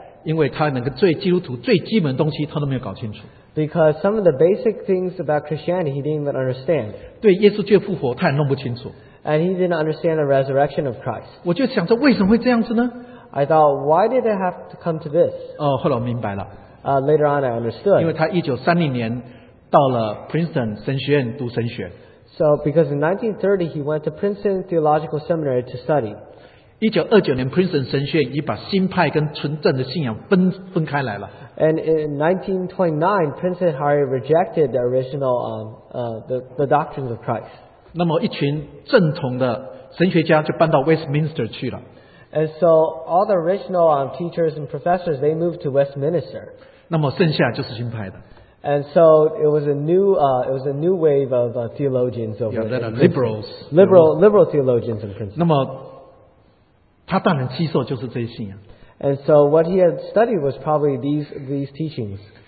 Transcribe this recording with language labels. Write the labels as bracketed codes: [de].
[zh] 因为他那个最基督徒最基本的东西他都没有搞清楚。 [en] Because some of the basic things about Christianity he didn't even understand. [zh] 对耶稣基督复活他也弄不清楚。 [en] And he didn't understand the resurrection of Christ. [zh] 我就想着为什么会这样子呢？ [en] I thought, why did it have to come to this? [zh] 后来我明白了。 [en] later on I understood. [zh] 因为他1930年 到了 Princeton 神学院读神学。 [en] So because in 1930 he went to Princeton Theological Seminary to study. [zh] 1929年 Princeton 神学院已把新派跟纯正的信仰分开来了。 [en] And in 1929 Princeton already rejected the original the doctrines of Christ. [zh] 那么一群正统的神学家就搬到 Westminster 去了。 [en] And so all the original teachers and professors, they moved to Westminster. [zh] 那么剩下就是新派的。 [en] And so it was a new wave of theologians over there. Yeah, liberals. Liberal theologians and princes. [zh] 那么他当然接受就是这些信仰。 [en] And so what he had studied was probably these teachings.